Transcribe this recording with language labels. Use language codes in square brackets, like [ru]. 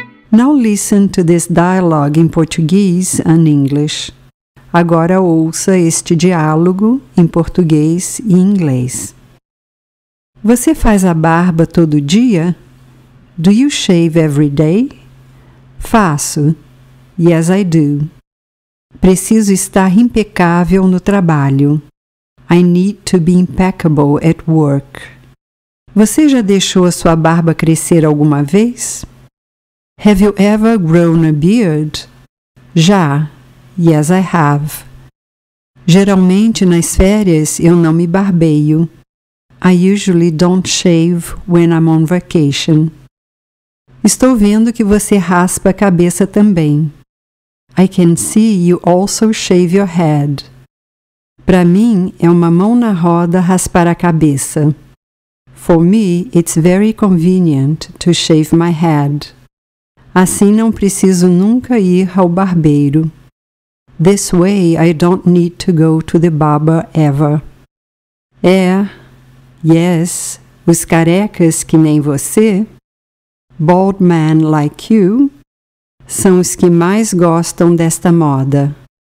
[en] Now listen to this dialogue in Portuguese and English. [pt] Agora ouça este diálogo em português e inglês. Você faz a barba todo dia? [en] Do you shave every day? [pt] Faço. [en] Yes, I do. [pt] Preciso estar impecável no trabalho. [en] I need to be impeccable at work. [pt] Você já deixou a sua barba crescer alguma vez? [en] Have you ever grown a beard? [pt] Já. [en] Yes, I have. [pt] Geralmente nas férias eu não me barbeio. [en] I usually don't shave when I'm on vacation. [pt] Estou vendo que você raspa a cabeça também. [en] I can see you also shave your head. [pt] Para mim, é uma mão na roda raspar a cabeça. [en] For me, it's very convenient to shave my head. [pt] Assim, não preciso nunca ir ao barbeiro. [en] This way, I don't need to go to the barber ever. [pt] É, yes, os carecas que nem você, [en] bald men like you, [pt] são os que mais gostam desta moda.